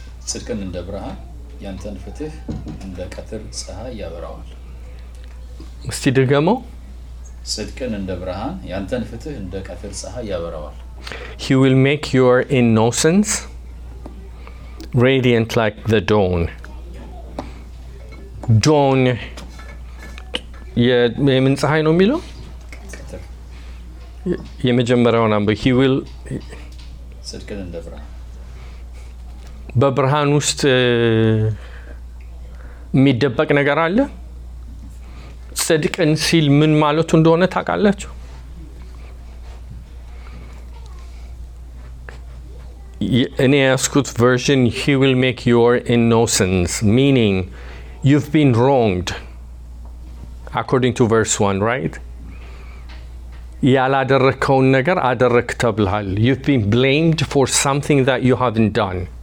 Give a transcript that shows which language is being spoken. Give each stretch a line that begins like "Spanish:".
Amharic: ጽድቅን እንደ ብርሃን ያንተን ፍትህ እንደ ቀትር ፀሐይ ያበራዋል. እስቲ ድገመው. ጽድቅን እንደ ብርሃን ያንተን ፍትህ እንደ ቀትር ፀሐይ ያበራዋል.
English: He will make your innocence radiant like the dawn. Dawn.
Amharic: የምን ፀሐይ ነው የሚለው? ቀትር. የመጀመሪያውን አንብ.
English: He will.
Amharic: ጽድቅን እንደ ብርሃን. በብርሃን ውስጥ የሚደበቅ ነገር አለ? ጽድቅን ሲል ምን ማለት እንደሆነ ታውቃላችሁ?
English: In Eskut version, he will make your innocence, meaning you've been wronged, according to verse 1, right?
Amharic: ያላደረከውን ነገር አደረክ ተብልሃል.
English: You've been blamed for something that you haven't done.